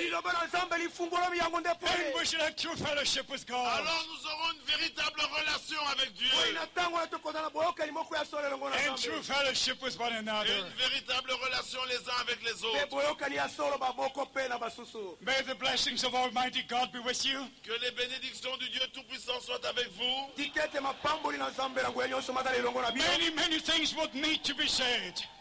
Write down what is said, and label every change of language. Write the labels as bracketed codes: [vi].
[fr] Il ouvre l'ensemble et il fonde la [en] And we shall have true fellowship with God. [fr] Alors nous aurons une véritable relation avec Dieu. [en] And true fellowship with one another. [fr] Et une véritable relation les uns avec les autres. [en] May the blessings of Almighty God be with you. [fr] Que les bénédictions du Dieu Tout-Puissant soient avec vous. [en] Many, many things would need to be said.